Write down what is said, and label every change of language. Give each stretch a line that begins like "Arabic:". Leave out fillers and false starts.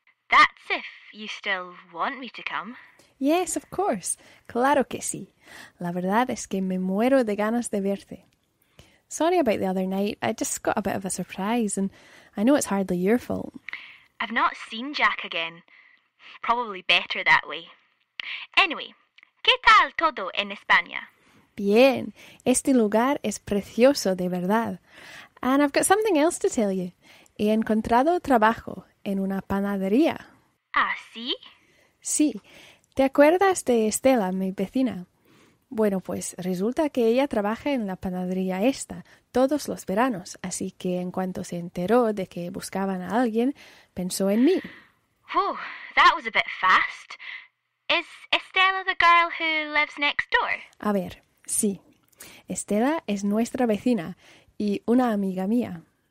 English: That's if you still want me to come. Yes, of course.
Spanish: Claro que sí. La verdad es que me muero de ganas de verte.
English: Sorry about the other night. I just got a bit of a surprise and I know it's hardly your fault. I've not seen Jack again. Probably better that way. Anyway,
Spanish: ¿qué tal todo en España? Bien, este lugar es precioso de verdad.
English: And I've got something else to tell you.
Spanish: He encontrado trabajo en una panadería. ¿Ah, sí? Sí. ¿Te acuerdas de Estela, mi vecina? Bueno, pues resulta que ella trabaja en la panadería esta todos los veranos, así que en cuanto se enteró de que buscaban a alguien, pensó en mí.
English: Oh, that was a bit fast. Is Estela the girl who lives next door?
Spanish: A ver... Sí. Estela es nuestra vecina y una amiga mía.